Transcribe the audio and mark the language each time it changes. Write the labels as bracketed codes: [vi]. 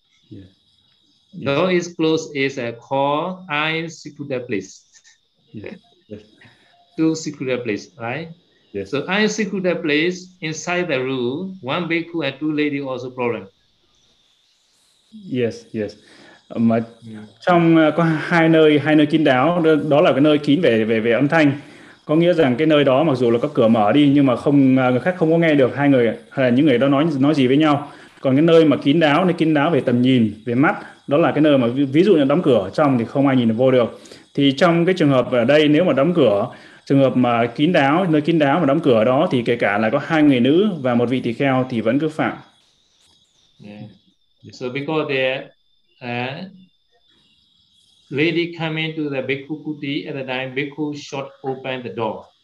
[en] Yeah. Door is closed is called eye secluded place. Yeah. Two secluded place, right? Yes. So eye secluded place inside the room, one bhikkhu and two lady also problem. Yes, yes. [vi] Mà trong có hai nơi kín đáo, đó là cái nơi kín về âm thanh. Có nghĩa rằng cái nơi đó mặc dù là có cửa mở đi nhưng mà không, người khác không có nghe được hai người hay là những người đó nói gì với nhau. Còn cái nơi mà kín đáo về tầm nhìn, về mắt, đó là cái nơi mà ví dụ như đóng cửa trong thì không ai nhìn vô được. Thì trong cái trường hợp ở đây, nếu mà đóng cửa, trường hợp mà kín đáo, nơi kín đáo mà đóng cửa đó thì kể cả là có hai người nữ và một vị tỳ kheo thì vẫn cứ phạm. [en] Yeah. So because the lady come into the bhikkhu kuti at the time, bhikkhu shot open the door.